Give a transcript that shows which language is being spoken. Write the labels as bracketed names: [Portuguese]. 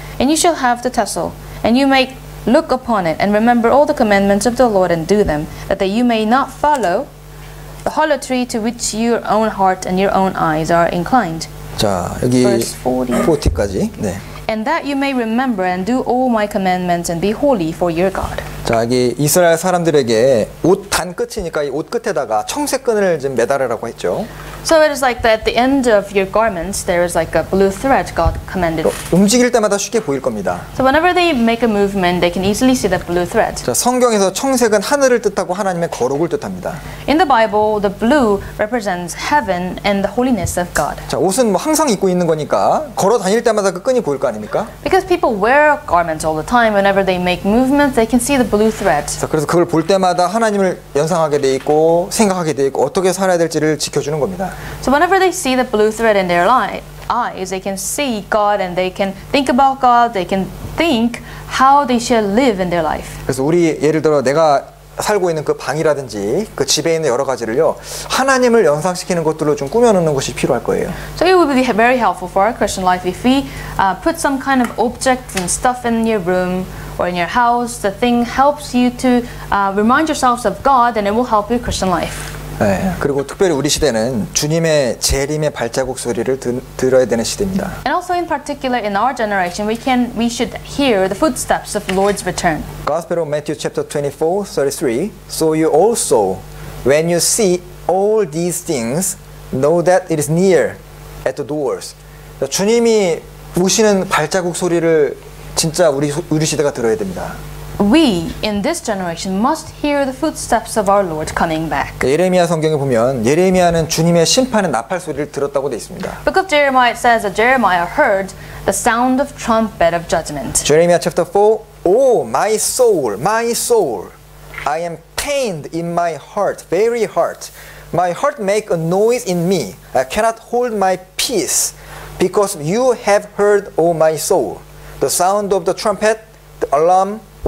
[English] And you shall have the tassel, and you may look upon it, and remember all the commandments of the Lord, and do them, that you may not follow the harlotry to which your own heart and your own eyes are inclined. [Korean] 자, 여기 40. 40까지. 네. [English] And that you may remember and do all my commandments and be holy for your God. [Korean] 자, 여기 이스라엘 사람들에게 옷 단 끝이니까 이 옷 끝에다가 청색 끈을 좀 매달으라고 했죠. [English] So it is like that at the end of your garments there is like a blue thread God commanded. [Korean] 움직일 때마다 쉽게 보일 겁니다. [English] So whenever they make a movement they can easily see that blue thread. [Korean] 자, 성경에서 청색은 하늘을 뜻하고 하나님의 거룩을 뜻합니다. [English] In the Bible the blue represents heaven and the holiness of God. [Korean] 자, 옷은 뭐 항상 입고 있는 거니까 걸어 다닐 때마다 그 끈이 보일 거 아닙니까? [English] Because people wear garments all the time whenever they make movements they can see the blue thread. [Korean] 자, 그래서 그걸 볼 때마다 하나님을 연상하게 돼 있고 생각하게 돼 있고 어떻게 살아야 될지를 지켜 주는 겁니다. [English] So whenever they see the blue thread in their eyes, they can see God and they can think about God, they can think how they should live in their life. [Korean] 그래서 우리 예를 들어 내가 살고 있는 그 방이라든지 그 집에 있는 여러 가지를요 하나님을 연상시키는 것들로 좀 꾸며놓는 것이 필요할 거예요. [English] So it would be very helpful for our Christian life if we put some kind of objects and stuff in your room or in your house. The thing helps you to remind yourselves of God and it will help your Christian life. [Korean] 네, 그리고 특별히 우리 시대는 주님의 재림의 발자국 소리를 들어야 되는 시대입니다. [English] And also in particular in our generation, we should hear the footsteps of Lord's return. Gospel of Matthew chapter 24:33. So you also, when you see all these things, know that it is near at the doors. [Korean] 주님이 오시는 발자국 소리를 진짜 우리 시대가 들어야 됩니다. [English] We in this generation must hear the footsteps of our Lord coming back. [Korean] 예레미야 성경에 보면 예레미야는 주님의 심판의 나팔 소리를 들었다고 돼 있습니다. [English] Book of Jeremiah says that Jeremiah heard the sound of trumpet of judgment. Jeremiah chapter 4. Oh, my soul, I am pained in my heart, very heart. My heart make a noise in me. I cannot hold my peace, because you have heard, oh my soul, the sound of the trumpet, the alarm.